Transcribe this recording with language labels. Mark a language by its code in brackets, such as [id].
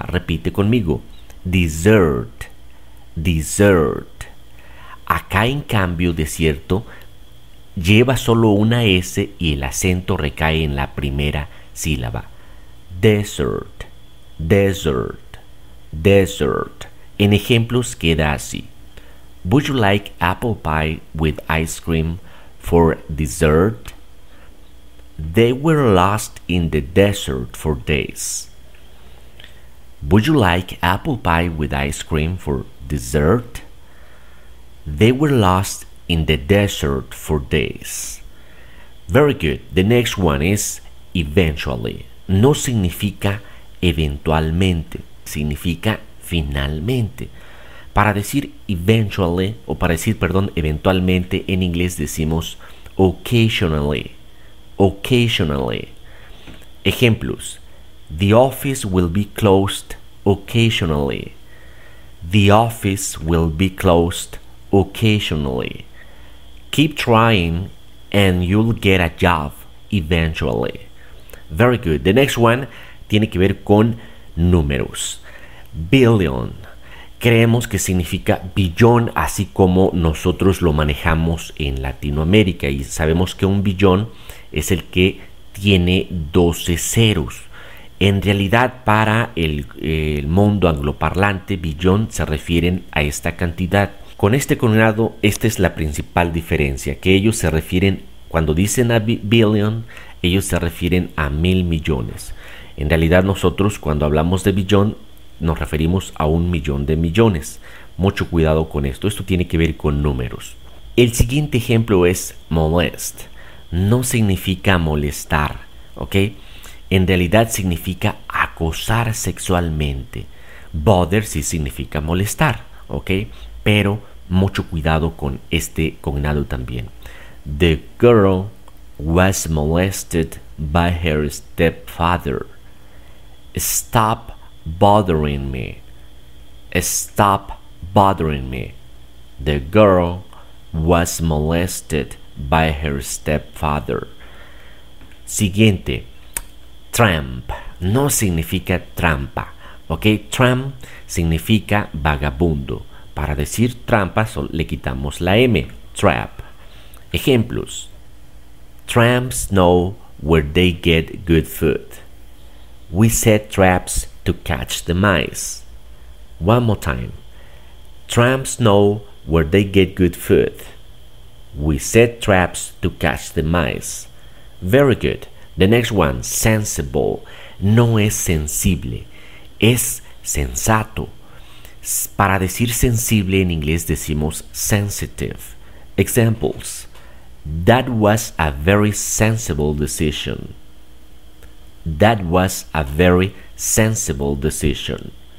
[es] Repite conmigo. Dessert. Dessert. Acá en cambio, desierto, lleva solo una S y el acento recae en la primera sílaba. Desert, desert, desert. En ejemplos queda así. [en] Would you like apple pie with ice cream for dessert? They were lost in the desert for days. Would you like apple pie with ice cream for dessert? They were lost in the desert for days. Very good. The next one is eventually. [es] No significa eventualmente. Significa finalmente. Para decir eventually, o para decir, perdón, eventualmente, en inglés decimos occasionally. Occasionally. Ejemplos. [en] The office will be closed occasionally. The office will be closed occasionally. Keep trying and you'll get a job eventually. Very good. The next one [es] tiene que ver con números. Billion. Creemos que significa billón, así como nosotros lo manejamos en Latinoamérica. Y sabemos que un billón es el que tiene 12 ceros. En realidad, para el mundo angloparlante, billón se refieren a esta cantidad. Con este cognado, esta es la principal diferencia, que ellos se refieren, cuando dicen a billion, ellos se refieren a mil millones. En realidad, nosotros, cuando hablamos de billón, nos referimos a un millón de millones. Mucho cuidado con esto. Esto tiene que ver con números. El siguiente ejemplo es molest. No significa molestar, ¿ok? En realidad significa acosar sexualmente. Bother sí significa molestar, ¿ok? Pero mucho cuidado con este cognado también. [en] The girl was molested by her stepfather. Stop bothering me. Stop bothering me. The girl was molested by her stepfather. [es] Siguiente. Tramp no significa trampa, ¿ok? Tramp significa vagabundo. Para decir trampa le quitamos la M. Trap. Ejemplos. [en] Tramps know where they get good food. We set traps to catch the mice. One more time. Tramps know where they get good food. We set traps to catch the mice. Very good. The next one, sensible, [es] no es sensible, es sensato. Para decir sensible en inglés decimos sensitive. [en] Examples, that was a very sensible decision. That was a very sensible decision.